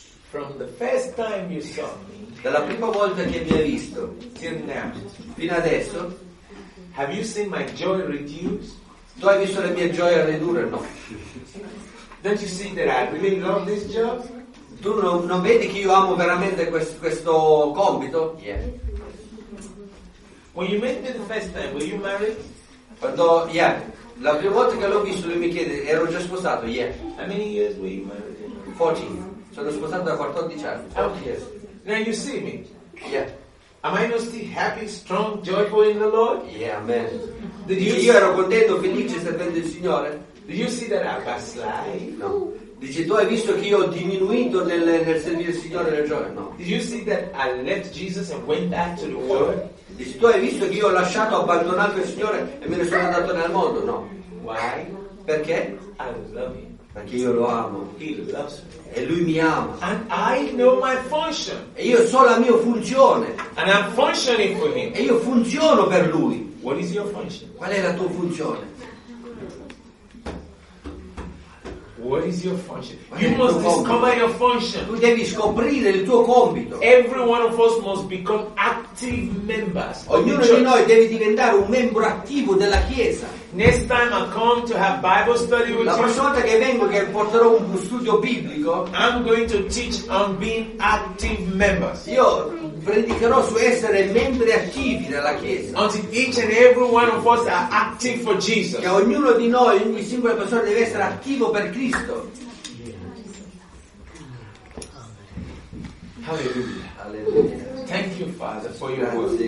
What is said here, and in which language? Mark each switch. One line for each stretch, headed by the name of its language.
English: From the first time you saw me,
Italian: dalla prima volta che mi hai visto,
English: till now,
Italian: fino adesso,
English: have you seen my joy reduce?
Italian: Tu hai visto la mia gioia ridurre?
English: No. Don't you see that I really love this job?
Italian: Tu non vedi che io amo veramente questo compito?
English: Yeah. When you met me the first time, were you married?
Italian: Quando,
English: yeah.
Italian: La prima volta che l'ho visto, lui mi chiede, ero già sposato?
English: Yeah. How many years were you married?
Italian: 14. Sono sposato da 14 anni.
English: Okay. Yes. Now you see me? Yeah. Am I not still happy, strong, joyful in the Lord? Yeah, amen.
Italian: Io ero contento, felice, servendo il Signore?
English: Did you see that I backslide? No.
Italian: Dice, tu hai visto che io ho diminuito nel servire il Signore nel giorno?
English: No. Did you see that I left Jesus and went back to the world?
Italian: Dice, tu hai visto che io ho lasciato, abbandonato il Signore e me ne sono andato nel mondo?
English: No. Why?
Italian: Perché?
English: I love him.
Italian: Perché io lo amo.
English: He loves me.
Italian: E lui mi ama.
English: And I know my function.
Italian: E io so la mia funzione.
English: And I'm functioning for him.
Italian: E io funziono per lui.
English: What is your function?
Italian: Qual è la tua funzione?
English: What is your function? You must discover your function.
Italian: Tu devi scoprire il tuo compito.
English: Every one of us must become active members.
Italian: Ognuno di noi deve diventare un membro attivo della chiesa.
English: Next time I come to have Bible study with you.
Italian: La prossima volta che vengo che porterò un studio biblico,
English: I'm going to teach on being active members.
Italian: Io predicherò su essere membri attivi della chiesa.
English: Until each and every one of us are active for Jesus.
Italian: Che ognuno di noi, ogni singola persona deve essere attivo per Cristo.
English: Hallelujah. Thank you, Father, for your word.